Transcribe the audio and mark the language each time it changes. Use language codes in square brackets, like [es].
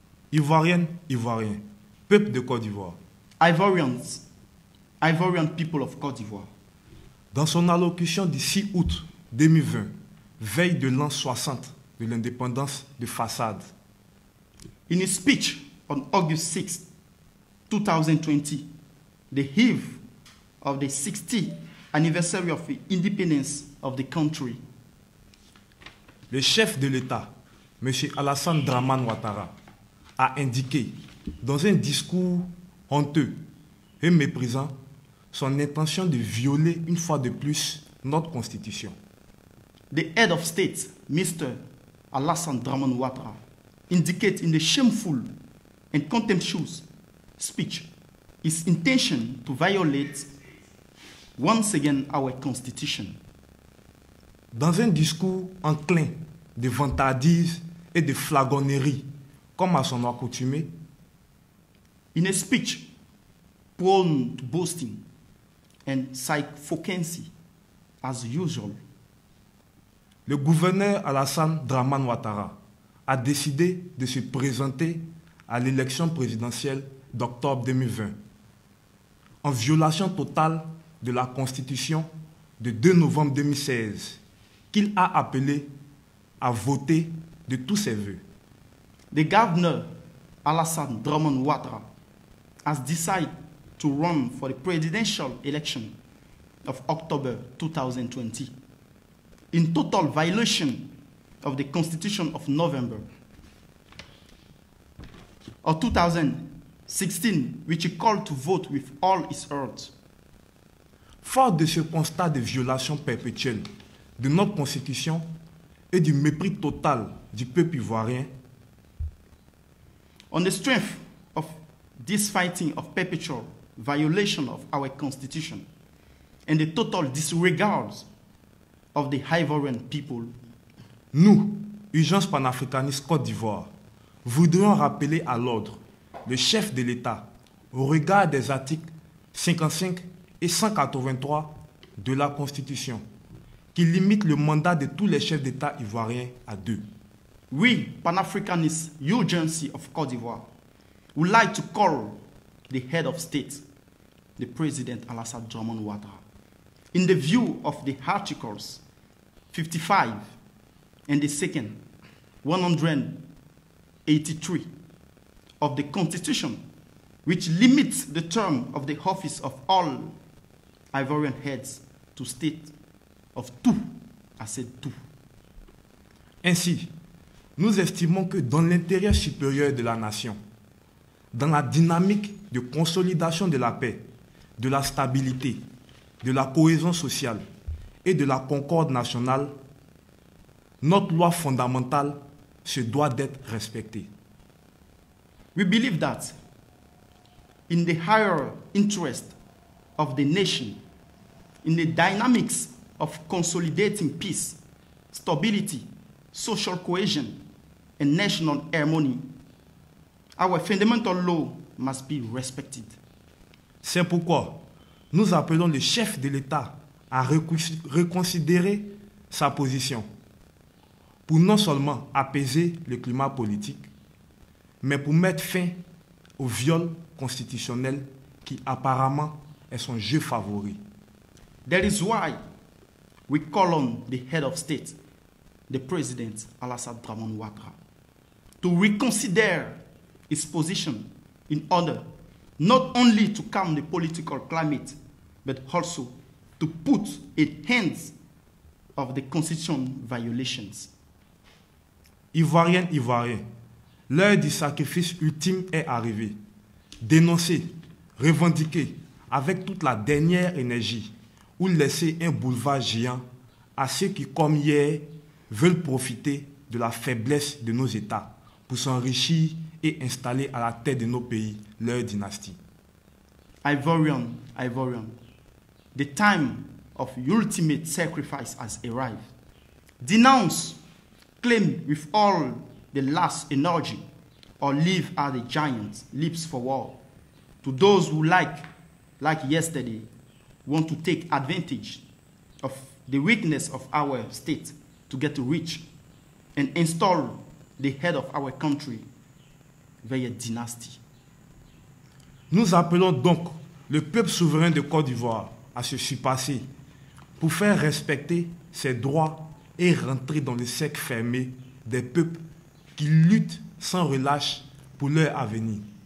[fr] Ivoirienne, Ivoirien. Peuple de Côte d'Ivoire. [en] Ivorians, Ivorian people of Côte d'Ivoire. [fr] Dans son allocution du 6 août 2020, veille de l'an 60 de l'indépendance de Façade. [en] In his speech on August 6, 2020, the eve of the 60th anniversary of the independence of the country. [fr] Le chef de l'État, M. Alassane Dramane Ouattara, a indiqué dans un discours honteux et méprisant son intention de violer une fois de plus notre constitution. [en] The head of state, Mr. Alassane Dramane Ouattara, indicate in a shameful and contemptuous speech his intention to violate once again our constitution. [fr] Dans un discours enclin de vantardise et de flagornerie, comme à son accoutumée, [en] in a speech prone to boasting and sycophancy, as usual, [fr] le gouverneur Alassane Dramane Ouattara a décidé de se présenter à l'élection présidentielle d'octobre 2020 en violation totale de la Constitution de 2 novembre 2016 qu'il a appelé à voter de tous ses voeux. [en] The governor Alassane Dramane Ouattara has decided to run for the presidential election of October 2020 in total violation of the Constitution of November of 2016, which he called to vote with all his heart. [fr] Fort de ce constat de violation perpétuelle de notre Constitution et du mépris total du peuple ivoirien, [en] on the strength of this fighting of perpetual violation of our constitution and the total disregard of the Ivorian people, [fr] nous, Urgence panafricaniste Côte d'Ivoire, voudrions rappeler à l'ordre le chef de l'État au regard des articles 55 et 183 de la Constitution qui limite le mandat de tous les chefs d'État ivoiriens à deux. [en] We, Pan-Africanist Urgency of Côte d'Ivoire, would like to call the head of state, the President Alassane Dramane Ouattara, in the view of the Articles 55 and the second 183 of the Constitution, which limits the term of the office of all Ivorian heads to state of two, I said two. [fr] Ainsi, nous estimons que dans l'intérêt supérieur de la nation, dans la dynamique de consolidation de la paix, de la stabilité, de la cohésion sociale et de la concorde nationale, notre loi fondamentale se doit d'être respectée. [en] We believe that in the higher interest of the nation, in the dynamics of consolidating peace, stability, social cohesion, and national harmony, our fundamental law must be respected. [fr] C'est pourquoi nous appelons le chef de l'État à reconsidérer sa position pour non seulement apaiser le climat politique, mais pour mettre fin au viol constitutionnel qui apparemment est son jeu favori. [en] That is why we call on the head of state, the president Alassane Dramane Ouattara, to reconsider his position in order not only to calm the political climate, but also to put an end to the constitution violations. [fr] Ivoirien, Ivoirien, l'heure du sacrifice ultime est arrivée. Dénoncer, revendiquer avec toute la dernière énergie ou laisser un boulevard géant à ceux qui, comme hier, veulent profiter de la faiblesse de nos États pour s'enrichir et installer à la tête de nos pays leur dynastie. [en] Ivorian, Ivorian, the time of ultimate sacrifice has arrived. Denounce, claim with all the last energy, or leave as the giant leaps for war. To those who, like yesterday, want to take advantage of the weakness of our state to get rich and install the head of our country via dynasty. [fr] Nous appelons donc le peuple souverain de Côte d'Ivoire à se surpasser pour faire respecter ses droits et rentrer dans le cercle fermé des peuples qui luttent sans relâche pour leur avenir.